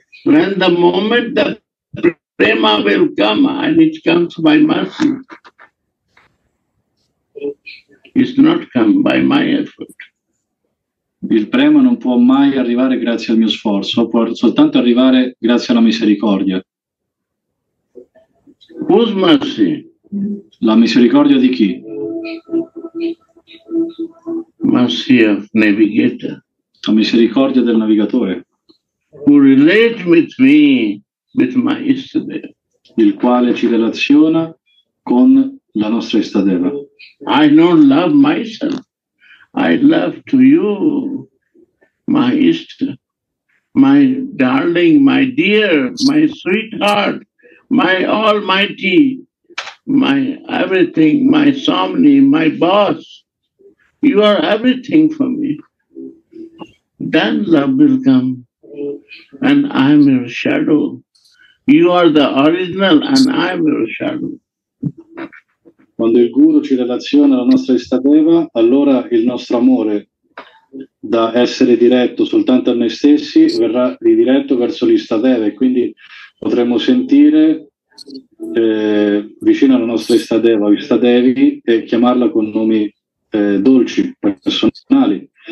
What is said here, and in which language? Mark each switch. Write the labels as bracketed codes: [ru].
[en] When the moment the prema will come and it comes by mercy, it's not come by my effort. [it] Il prema non può mai arrivare grazie al mio sforzo, può soltanto arrivare grazie alla misericordia. [en] Whose mercy? [it] La misericordia di chi? [en] Mercy of navigator. [it] La misericordia del navigatore. [en] Who relates with me, with my istadeva. [it] Il quale ci relaziona con la nostra istadeva. [en] I don't love myself. I love to you, my Easter, my darling, my dear, my sweetheart, my almighty, my everything, my somni, my boss. You are everything for me. Then love will come, and I am your shadow. You are the original, and I am your shadow. [it] Quando il Guru ci relaziona alla nostra istadeva, allora il nostro amore da essere diretto soltanto a noi stessi verrà ridiretto verso l'istadeva e quindi potremo sentire vicino alla nostra istadeva, istadevi, e chiamarla con nomi dolci, personali.